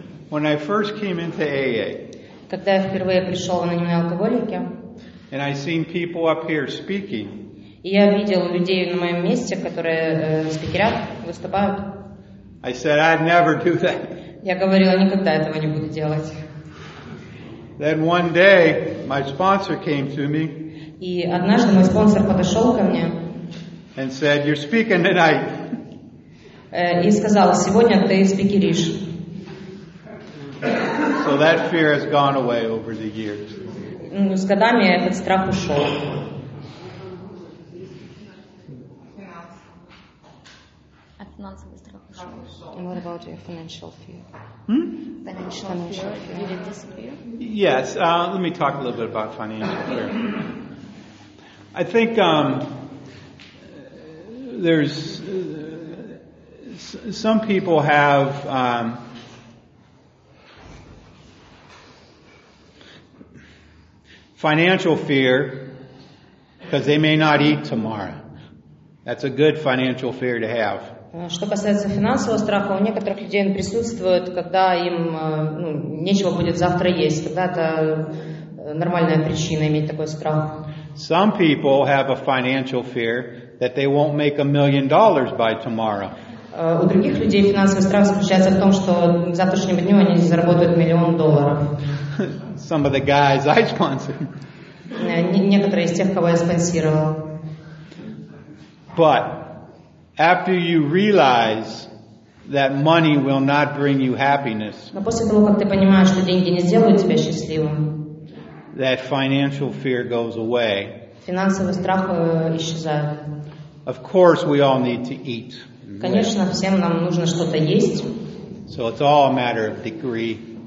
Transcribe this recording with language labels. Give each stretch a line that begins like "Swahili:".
English: When I first came into AA.
Russian: Когда я впервые пришел в анонимные алкоголики.
English: And I seen people up here speaking.
Russian: И я видел людей на моем месте, которые спикерят, выступают.
English: I said, I'd never do that.
Russian: Я говорила, никогда этого не буду делать.
English: Then one day, my sponsor came to me.
Russian: И однажды мой спонсор подошел ко мне.
English: And said, you're speaking tonight.
Russian: И сказал, сегодня ты спикеришь.
English: So that fear has gone away over the years.
Russian: Ну, с годами этот страх ушел. Финансовый страх ушел.
English: And what about your financial fear? Financial fear. Did it disappear? Yes. Let me talk a little bit about financial fear. I think there's some people have financial fear because they may not eat tomorrow. That's a good financial fear to have.
Russian: Что касается финансового страха, у некоторых людей он присутствует, когда им нечего будет завтра есть. Тогда это нормальная причина иметь такой страх.
English: Some people have a financial fear that they won't make $1 million by tomorrow.
Russian: У других людей финансовый страх заключается в том, что к завтрашнему дню они заработают $1 million.
English: Some of the guys I sponsored.
Russian: Некоторые из тех, кого я спонсировал.
English: But after you realize that money will not bring you happiness,
Russian: но после того, как ты понимаешь, что деньги не сделают тебя счастливым,
English: that financial fear goes away.
Russian: Финансовый страх исчезает.
English: Of course, we all need to eat.
Russian: Конечно, всем нам нужно что-то есть.
English: So it's all a matter of degree.